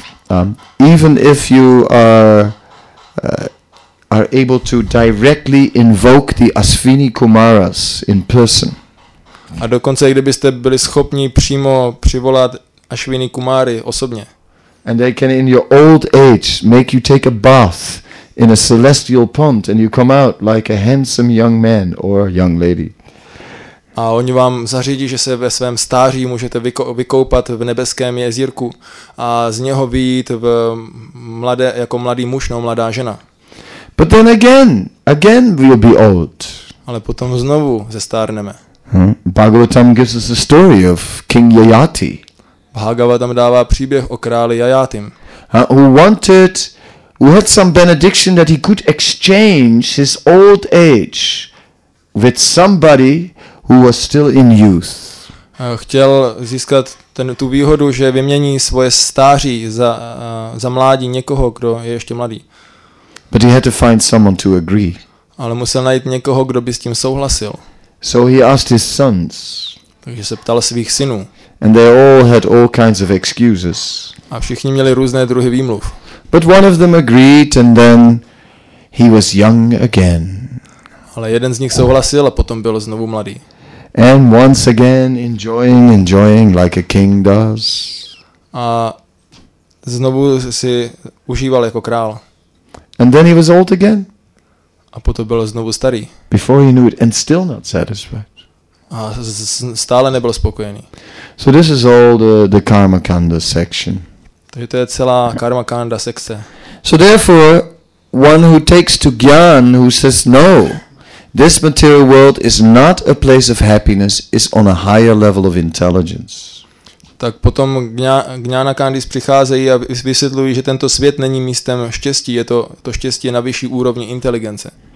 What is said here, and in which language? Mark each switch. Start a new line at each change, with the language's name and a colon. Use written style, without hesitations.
English: And even if you are able to directly invoke the Ashwini Kumaras in person.
Czech: A dokonce i kdybyste byli schopni přímo přivolat Ashwini Kumary osobně.
English: And they can in your old age make you take a bath in a celestial pond and you come out like a handsome young man or young lady.
Czech: A oni vám zařídí, že se ve svém stáří můžete vykoupat v nebeském jezírku a z něho vyjít jako mladý muž nebo mladá žena.
English: But then again we'll be old.
Czech: Ale potom znovu zestárneme.
English: Bhagavatam gives us a story of King Yayati.
Czech: Bhagavatam dává příběh o králi Yayatim.
English: Who had some benediction that he could exchange his old age with somebody who was still in youth.
Czech: Chtěl získat tu výhodu, že vymění svoje stáří za mládí někoho, kdo je ještě mladý.
English: But he had to find someone to agree.
Czech: Ale musel najít někoho, kdo by s tím souhlasil.
English: So he asked his sons.
Czech: Takže se ptal svých synů.
English: And they all had all kinds of excuses.
Czech: A všichni měli různé druhy výmluv.
English: But one of them agreed and then he was young again.
Czech: Ale jeden z nich souhlasil a potom byl znovu mladý.
English: And once again enjoying like a king does.
Czech: A znovu si užíval jako král.
English: And then he was old again.
Czech: A potom byl znovu starý.
English: Before he knew it and still not satisfied.
Czech: A stále nebyl spokojený.
English: So this is all the Karmakanda section.
Czech: Takže to je celá karmakanda sekce.
English: So therefore, one who takes to gyan, who says no, this material world is not a place of happiness, is on a higher level of intelligence.
Czech: Tak potom gňánakandis přicházejí a vysvětlují, že tento svět není místem štěstí, je to štěstí na vyšší úrovni inteligence.